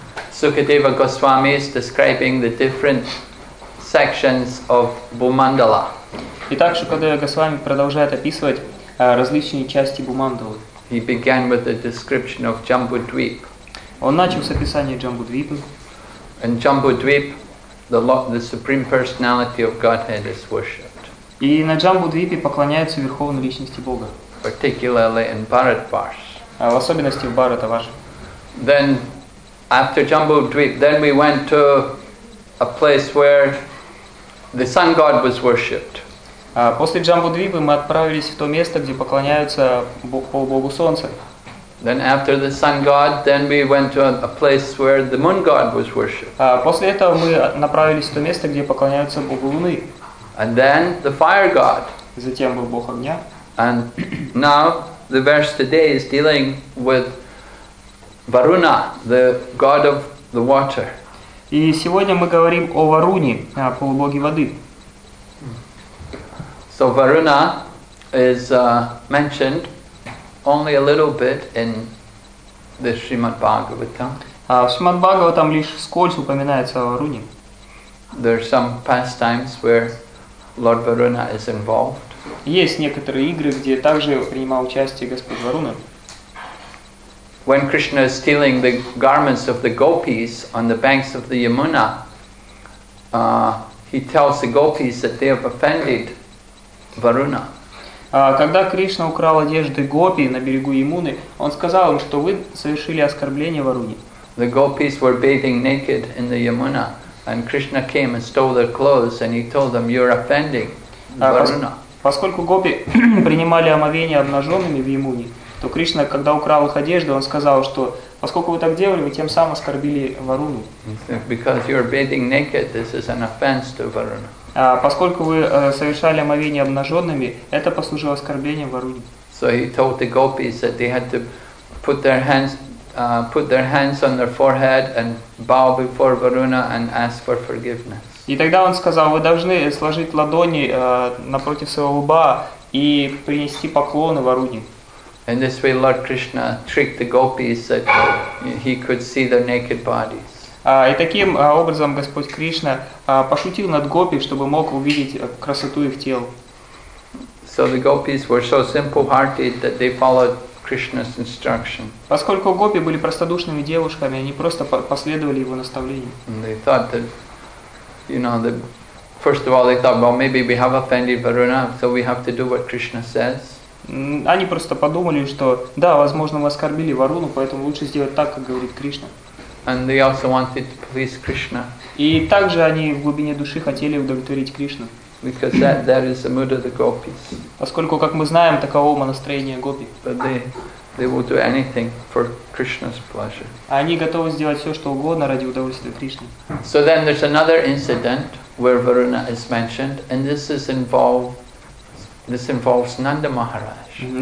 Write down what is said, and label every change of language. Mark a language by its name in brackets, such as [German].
[English] Sukadeva Goswami is describing the different sections of Bhumandala. [Russian] Итак, Шукадева Госвами продолжает описывать различные части Бумандалы. [English] He began with the description of Jambudvip. [Russian] Он начал с описания Джамбудвипы. [English] And Jambudvip, the supreme personality of Godhead is worshipped. [Russian] И на Джамбудвипе поклоняются Верховной Личности Бога. [English] Particularly in Bharatvarsh. [Russian] В особенности в Бхаратварше. [English] Then, after Jambudvip, then we went to a place where the sun god was worshipped. [Russian] После Джамбудвипы мы отправились в то место, где поклоняются полубогу Солнца. [English] Then after the sun god, then we went to a place where the moon god was worshipped. [Russian] После этого мы направились в то место, где поклоняются богу Луны. [English] And then the fire god. [Russian] Затем был бог огня. [English] And now the verse today is dealing with Varuna, the god of the water. [Russian] И сегодня мы говорим о Варуне, полубоге воды. [English] So Varuna is mentioned only a little bit in the Srimad Bhagavatam. [Russian] В Srimad Bhagavatam лишь скользь упоминается о Варуне. [English] There are some pastimes where Lord Varuna is involved. [Russian] Есть некоторые игры, где также принимал участие Господь Варуна. [English] When Krishna is stealing the garments of the gopis on the banks of the Yamuna, he tells the gopis that they have offended Varuna. [Russian] Когда Кришна украл одежды гопи на берегу Ямуны, он сказал им, что вы совершили оскорбление Варуне. [English] The gopis were bathing naked in the Yamuna, and Krishna came and stole their clothes, and he told them, "You're offending Varuna." [Russian] Поскольку гопи принимали омовение обнаженными в Ямуне, то Кришна, когда украл их одежды, он сказал, что поскольку вы так делали, вы тем самым оскорбили Варуну. [English] Because you're bathing naked, this is an offense to Varuna. [Russian] Поскольку вы совершали омовение обнаженными, это послужило оскорблением Варуне. [English] So he told the gopis that they had to put their hands on their forehead and bow before Varuna and ask for forgiveness. [Russian] И тогда он сказал, вы должны сложить ладони напротив своего лба и принести поклоны Варуне. [English] In this way, Lord Krishna tricked the gopis that he could see their naked bodies. [Russian] И таким образом Господь Кришна пошутил над гопи, чтобы мог увидеть красоту их тел. [English] So the gopis were so simple-hearted that they followed Krishna's instruction. [Russian] Поскольку гопи были простодушными девушками, они просто последовали его наставлению. [English] And they thought that, you know, that first of all they thought, well, maybe we have offended Varuna, so we have to do what Krishna says. [Russian] Они просто подумали, что да, возможно, мы оскорбили Варуну, поэтому лучше сделать так, как говорит Кришна. [English] And they also wanted to please Krishna. [Russian] И также они в глубине души хотели удовлетворить Кришну. [English] Because that is the mood of the gopis. [Russian] Поскольку, как мы знаем, таково настроение гопи. [English] But they will do anything for Krishna's pleasure. [Russian] Они готовы сделать все, что угодно ради удовольствия Кришны. [English] So then there's another incident where Varuna is mentioned, and this involves Nanda Maharaj.